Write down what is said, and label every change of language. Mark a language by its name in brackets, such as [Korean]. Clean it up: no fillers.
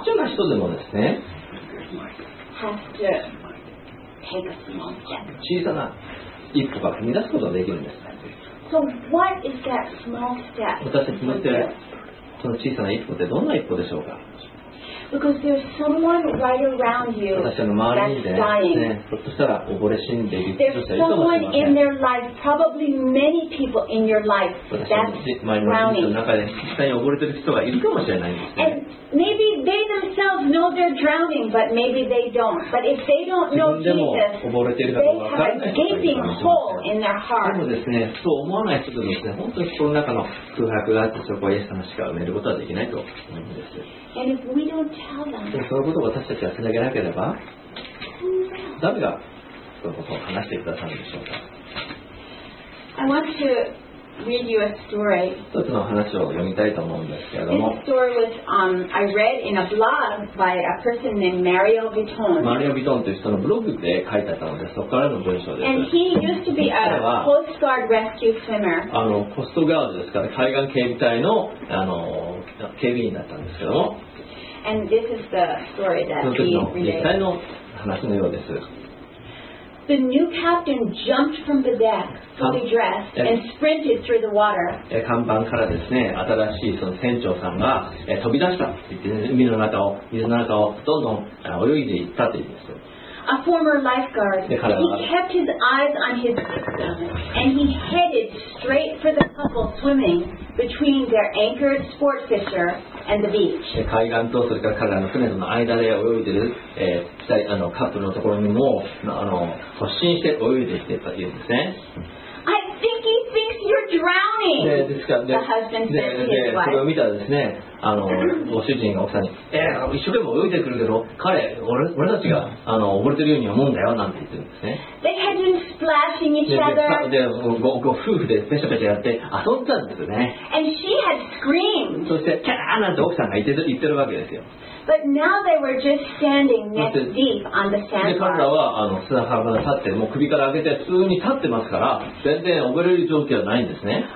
[Japanese] で、ちっちゃな人でもですね、 [English] has to take a small step. [Japanese] 小さな一歩が踏み出すことができるんです。 [English] So, what is that small step? [Japanese] 私たちのって、その小さな一歩ってどんな一歩でしょうか。 [English] Because there's someone right around you that's dying. [Japanese] 私の周りにね、ひょっとしたら溺れ死んでいる人もいるかもしれません。 [English] There's someone in their life, probably many people in your life that's drowning. [Japanese] 私の周りの人の中で実際に溺れてる人がいるかもしれないんですね。 [English] And maybe they themselves know they're drowning, but maybe they don't. But if they don't know Jesus, they have a gaping hole in their heart. [Japanese] でもですね、そう思わない人でもですね、本当に心の中の空白があってそこをイエス様しか埋めることはできないと思うんです。 [English] And if we don't tell them, [Japanese] そのことを私たちはつなげなければ誰がそのことを話してくださるんでしょうか。 [English] I want to read you a story. [Japanese] 一つの話を読みたいと思うんですけれども。 [English] This story was I read in a blog by a person named Mario Vitton. [Japanese] マリオ・ビトンという人のブログで書いてあったので、そこからの文章です。 [English] And he used to be a Coast Guard rescue swimmer. [Japanese] コストガードですから、海岸警備隊の警備員だったんですけども。 [English] And this is the story that he related. [Japanese] その時の実際の話のようです。 [English] The new captain jumped from the deck, fully dressed, and sprinted through the water. [Japanese] 看板からですね、新しいその船長さんが飛び出した。水の中をどんどん泳いでいったというんです。 [English] A former lifeguard, he kept his eyes on his victim, and he headed straight for the couple swimming between their anchored sport fisher and the beach. [Japanese] 海岸とそれから彼らの船の間で泳いでる、カップルのところにも突進して泳いできてたというんですね。 [English] I think he thinks you're drowning. [Japanese] で、ですから、 [English] the husband said to his wife. [Japanese] それを見たらですね。ご主人が奥さんに、一生懸命泳いでくるけど彼 俺たちが溺れてるように思うんだよなんて言ってるんですね。 [English] They had been splashing each other. [Japanese] ご夫婦でペシャペシャやって遊んだんですよね。 [English] And she had screamed. [Japanese] そしてキャーなんて奥さんが言ってるわけですよ。 [English] But now they were just standing neck deep on the sandbar. [Japanese] 彼らは砂浜に立ってもう首から上げて普通に立ってますから全然溺れる状況はないんですね。